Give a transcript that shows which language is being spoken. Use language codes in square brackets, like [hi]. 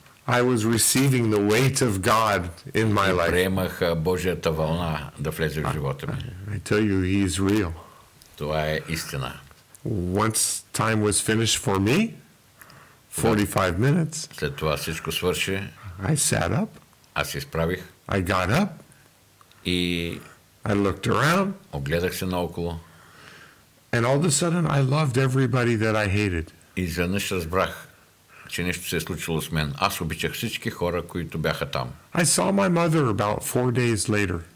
[en] I was receiving the weight of God in my life. [bg] Приемах Божията вълна да влезе в живота ми. [en] I tell you, he is real. [bg] Това е истина. [en] Once time was finished for me, 45 minutes. [bg] След това всичко свърши. [en] I sat up. [bg] Аз се изправих. [en] I got up. [bg] И [en] I looked around. [bg] Огледах се наоколо. [en] And all of a sudden I loved everybody that I hated. [bg] И изведнъж разбрах, че нещо се е случило с мен. Аз обичах всички хора, които бяха там. [en] I saw my mother about 4 days later.